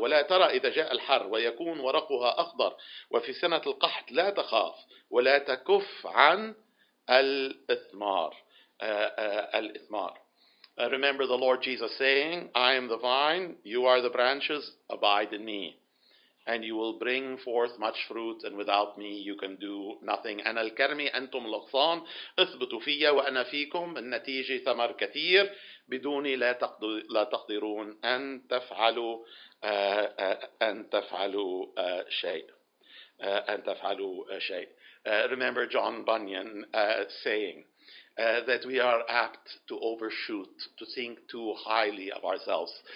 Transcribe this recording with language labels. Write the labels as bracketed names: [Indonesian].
[Arabic] ترى إذا جاء الحر ويكون ورقها أخضر وفي سنة القحط لا تخاف ولا تكف عن الإثمار الإثمار [English] Remember the Lord Jesus saying, I am the vine, you are the branches, abide in me. And you will bring forth much fruit, and without me you can do nothing. [Arabic] أنا الكرمي أنتم لقصان اثبتوا فيا وأنا فيكم النتيجة ثمر كثير بدوني لا تقدرون أن تفعلوا شيء أن تفعلوا شيء. [English] Remember John Bunyan saying that we are apt to overshoot, to think too highly of ourselves.